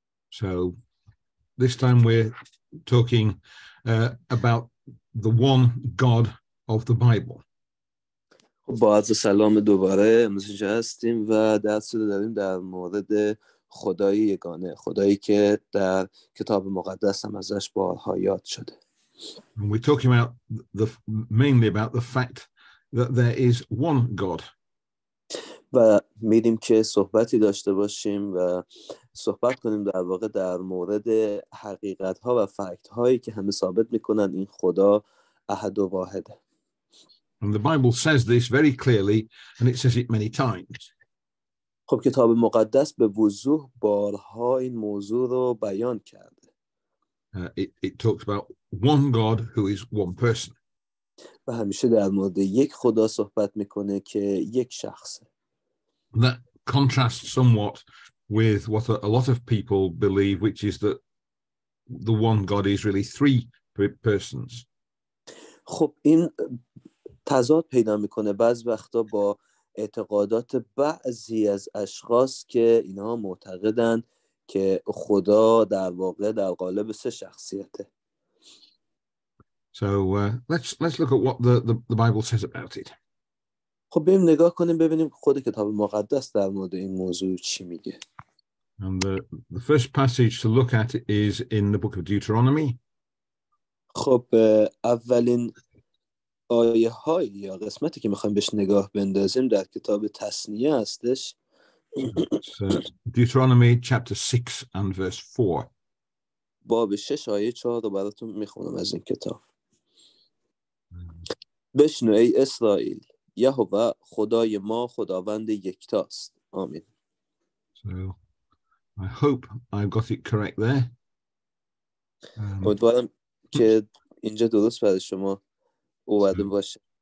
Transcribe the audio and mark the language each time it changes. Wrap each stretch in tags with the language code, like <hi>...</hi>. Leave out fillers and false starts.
<en>So this time we're talking about the one God of the Bible.</en> <fa>با عرض سلام دوباره امروز هستیم و درس رو داریم در مورد خدای یگانه، خدایی که در کتاب مقدس هم ازش بارها یاد شده.</fa> <en>And we're talking about mainly about the fact that there is one God.</en> <fa>و می‌دیم که صحبتی داشته باشیم و صحبت کنیم در واقع در مورد حقیقت‌ها و فکت‌هایی که همه ثابت می‌کنند این خدا احد و واحده.</fa> <en>And the Bible says this very clearly, and it says it many times.</en> <fa>خب کتاب مقدس به وضوح بارها این موضوع رو بیان کرده.</fa> <en>It talks about one God who is one person.</en> <fa>و همیشه در مورد یک خدا صحبت میکنه که یک شخصه.</fa> <en>That contrasts somewhat with what a lot of people believe, which is that the one God is really three persons.</en> <fa>خب این تضاد پیدا میکنه بعض وقتا با اعتقادات بعضی از اشخاص که اینها معتقدند که خدا در واقع در قالب سه شخصیته.</fa> <en>So let's look at what the Bible says about it.</en> <fa>خب بیم نگاه کنیم ببینیم خود کتاب مقدس در مورد این موضوع چی میگه.</fa> <en>And the first passage to look at is in the book of Deuteronomy.</en> <fa>خب اولین آیه های یا قسمتی که میخوایم بهش نگاه بندازیم در کتاب تثنیه هستش.</fa> <en>Deuteronomy chapter 6 and verse 4.</en> <fa>باب 6 آیه 4 رو براتون میخونم از این کتاب. بشنو ای اسرائیل، یهوه خدای ما خداوند یکتاست. آمین.</fa> <en>So I hope I've got it correct there.</en> <fa>امیدوارم که اینجا درست برای شما اومده باشه.</fa>